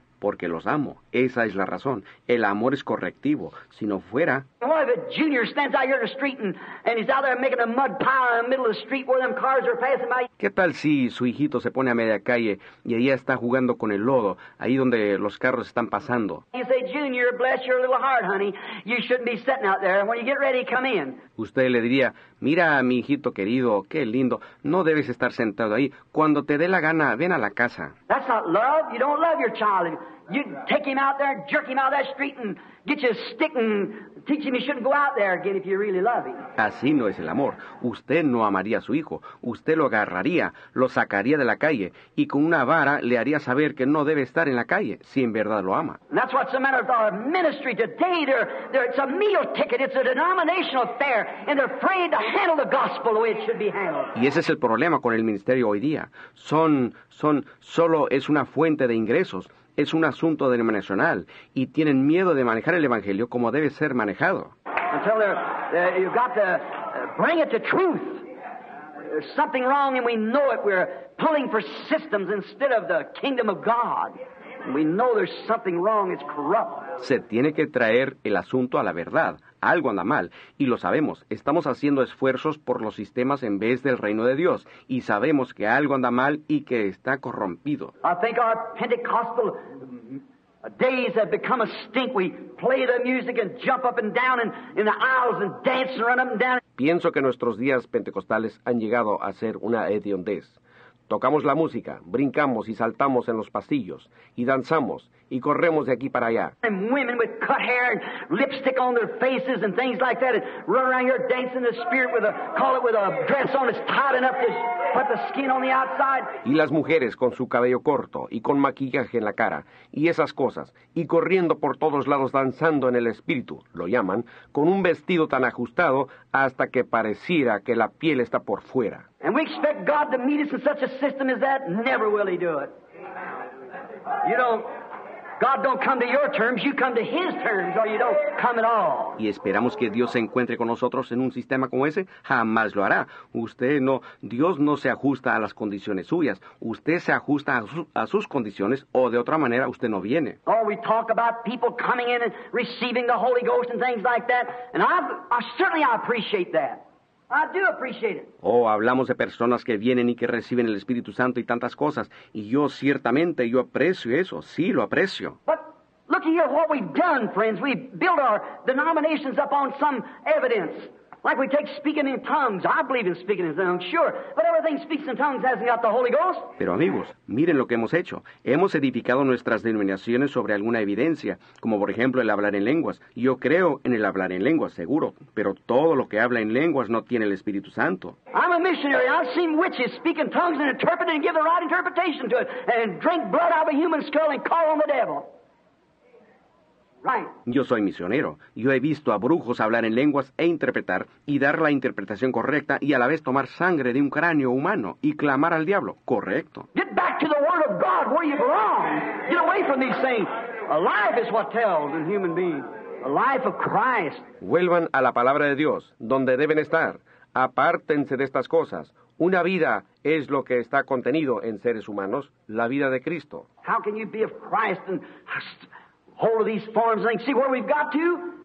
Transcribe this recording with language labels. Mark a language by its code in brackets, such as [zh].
[es] Porque los amo. Esa es la razón. El amor es correctivo. Si no fuera... [en] What if a junior stands out here in the street and he's out there making a mud pile in the middle of the street where them cars are passing by? [es] ¿Qué tal si su hijito se pone a media calle y ella está jugando con el lodo, ahí donde los carros están pasando? [en] You say, Junior, bless your little heart, honey. You shouldn't be sitting out there. When you get ready, come in. [es] Usted le diría, mira, mi hijito querido, qué lindo. No debes estar sentado ahí. Cuando te dé la gana, ven a la casa. [en] That's not love. You don't love your child. You take him out there, jerk him out of that street and get you a stick and teach him he shouldn't go out there again if you really love him. [es] Así no es el amor. Usted no amaría a su hijo. Usted lo agarraría, lo sacaría de la calle y con una vara le haría saber que no debe estar en la calle si en verdad lo ama. [en] And that's what's the matter with our ministry today. It's a meal ticket. It's a denominational affair. And they're afraid to handle the gospel the way it should be handled. [es] Y ese es el problema con el ministerio hoy día. Solo es una fuente de ingresos. Es un asunto denominacional y tienen miedo de manejar el evangelio como debe ser manejado. [en] Until you've got to bring it to truth. There's something wrong and we know it. We're pulling for systems instead of the kingdom of God. We know there's something wrong. It's corrupt. [es] Se tiene que traer el asunto a la verdad. Algo anda mal y lo sabemos. Estamos haciendo esfuerzos por los sistemas en vez del reino de Dios y sabemos que algo anda mal y que está corrompido. [en] I think our Pentecostal days have become a stink. We play the music and jump up and down and in the aisles and dance and run up and down. [es] Pienso que nuestros días pentecostales han llegado a ser una hediondez. Tocamos la música, brincamos y saltamos en los pasillos, y danzamos, y corremos de aquí para allá. [en] And women with cut hair and lipstick on their faces and things like that, and run around here dancing the spirit with a dress on that's tight enough to put the skin on the outside. [es] Y las mujeres con su cabello corto y con maquillaje en la cara y esas cosas, y corriendo por todos lados danzando en el espíritu, lo llaman, con un vestido tan ajustado hasta que pareciera que la piel está por fuera. [en] And we expect God to meet us in such a system as that? Never will he do it. You don't... God don't come to your terms, you come to his terms, or you don't come at all. [es] Y esperamos que Dios se encuentre con nosotros en un sistema como ese, jamás lo hará. Usted no, Dios no se ajusta a las condiciones suyas. Usted se ajusta a sus condiciones, o de otra manera, usted no viene. [en] Oh, we talk about people coming in and receiving the Holy Ghost and things like that, and I certainly appreciate that. I do appreciate it. [es] Oh, hablamos de personas que vienen y que reciben el Espíritu Santo y tantas cosas. Y yo ciertamente, yo aprecio eso. Sí, lo aprecio. [en] But look here what we've done, friends. We've built our denominations up on some evidence. Like we take speaking in tongues. I believe in speaking in tongues, sure. But everything speaks in tongues hasn't got the Holy Ghost. [es] Pero amigos, miren lo que hemos hecho. Hemos edificado nuestras denominaciones sobre alguna evidencia, como por ejemplo el hablar en lenguas. Yo creo en el hablar en lenguas, seguro. Pero todo lo que habla en lenguas no tiene el Espíritu Santo. [en] I'm a missionary. I've seen witches speak in tongues and interpret it and give the right interpretation to it and drink blood out of a human skull and call on the devil. Right. [es] Yo soy misionero. Yo he visto a brujos hablar en lenguas e interpretar y dar la interpretación correcta y a la vez tomar sangre de un cráneo humano y clamar al diablo. Correcto. [en] Get back to the Word of God where you belong. Get away from these things. Alive is what tells in human beings. Alive of Christ. [es] Vuelvan a la palabra de Dios, donde deben estar. Apártense de estas cosas. Una vida es lo que está contenido en seres humanos, la vida de Cristo. [en] How can you be of Christ and... hold of these forms and see where we've got to?